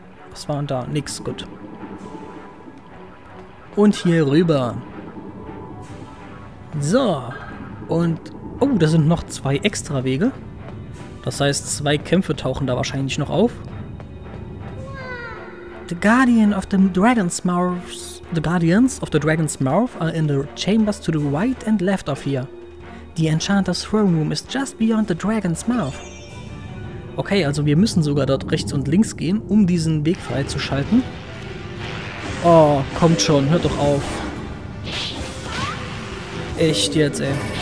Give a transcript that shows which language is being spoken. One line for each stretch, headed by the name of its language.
German: Was war denn da? Nix, gut. Und hier rüber. So. Und, oh, da sind noch zwei extra Wege. Das heißt, zwei Kämpfe tauchen da wahrscheinlich noch auf.
English: The Guardian of the Dragon's Mouth. The Guardians of the Dragon's Mouth are in the chambers to the right and left of here. The Enchanter's Throne Room is just beyond the Dragon's Mouth.
German: Okay, also wir müssen sogar dort rechts und links gehen, um diesen Weg freizuschalten. Oh, kommt schon, hört doch auf. Echt jetzt, ey.